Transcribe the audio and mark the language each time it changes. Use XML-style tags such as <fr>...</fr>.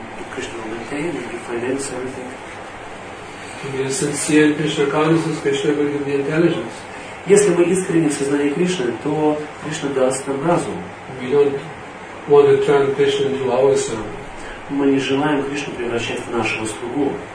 <en>Krishna will maintain and finance everything. If you are sincere in Krishna consciousness, Krishna will give the intelligence.</en> <ru>Если мы искренне в сознании Кришны, то Кришна даст нам разум.</ru> <en>We don't want to turn Krishna into our servant.</en> <ru>Мы не желаем Кришну превращать в нашего слугу.</ru>